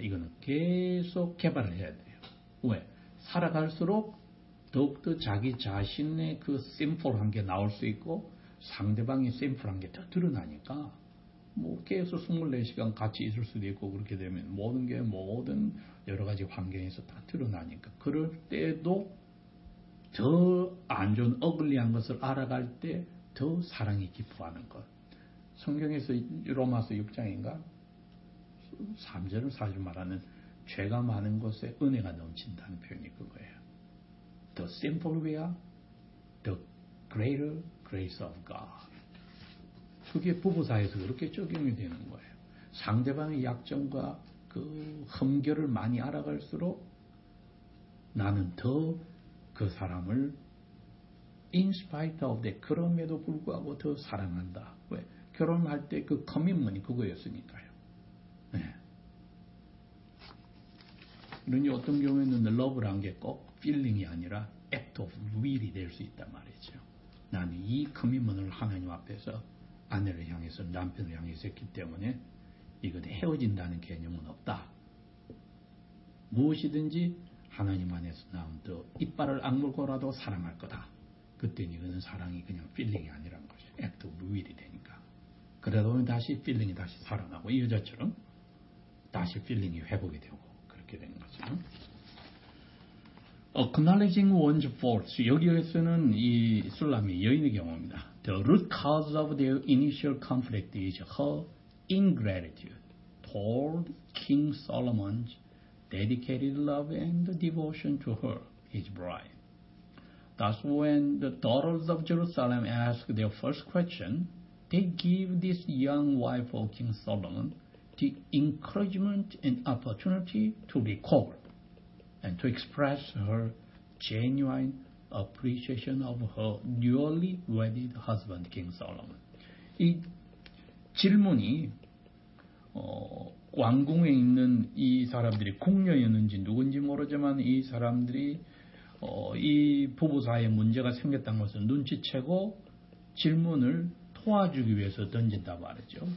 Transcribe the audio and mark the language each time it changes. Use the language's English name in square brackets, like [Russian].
[Korean] 이거는 계속 개발을 해야 돼요. 왜? 살아갈수록 더욱더 자기 자신의 그 심플한 게 나올 수 있고 상대방의 심플한 게 더 드러나니까 뭐 계속 24시간 같이 있을 수도 있고 그렇게 되면 모든 게 모든 여러 가지 환경에서 다 드러나니까 그럴 때도 더 안 좋은 어글리한 것을 알아갈 때 더 사랑이 기뻐하는 것. 성경에서 로마서 6장인가? 3절을 4절 말하는 죄가 많은 곳에 은혜가 넘친다는 표현이 그거예요. [English] The simple way, the greater grace of God. [Korean] 그게 부부 사이에서 그렇게 적용이 되는 거예요. 상대방의 약점과 그 흠결을 많이 알아갈수록 나는 더 그 사람을 [English] in spite of that, [Korean] 그럼에도 불구하고 더 사랑한다. 왜? 결혼할 때 그 커밋먼이 그거였으니까요. 네. 눈이 어떤 경우에는 러브란 게 꼭 필링이 아니라 [English] act of will [Korean] 이 될 수 있단 말이죠. 나는 이 커밋먼을 하나님 앞에서 아내를 향해서 남편을 향해서 했기 때문에 이것에 헤어진다는 개념은 없다. 무엇이든지 하나님 안에서 나온 더 이빨을 악물고라도 사랑할 거다. 그때는 이거는 사랑이 그냥 필링이 아니란 거죠. [English] act of will [Korean] 이 되니까. 그러다 보면 다시 필링이 다시 살아나고 이 여자처럼 다시 필링이 회복이 되고 그렇게 되는 거죠. [English] Acknowledging one's faults. [Korean] 여기에서는 이 술람이 여인의 경우입니다. [English] The root cause of their initial conflict is her ingratitude toward King Solomon's dedicated love and devotion to her, his bride. Thus, when the daughters of Jerusalem ask their first question, they give this young wife of King Solomon the encouragement and opportunity to recover and to express her genuine appreciation of her newly wedded husband, King Solomon. [Korean] 이 질문이 왕궁에 있는 이 사람들이 궁녀였는지 누군지 모르지만 이 사람들이 이 부부 사이에 문제가 생겼다는 것을 눈치채고 질문을 도와주기 위해서 던진다고 말했죠.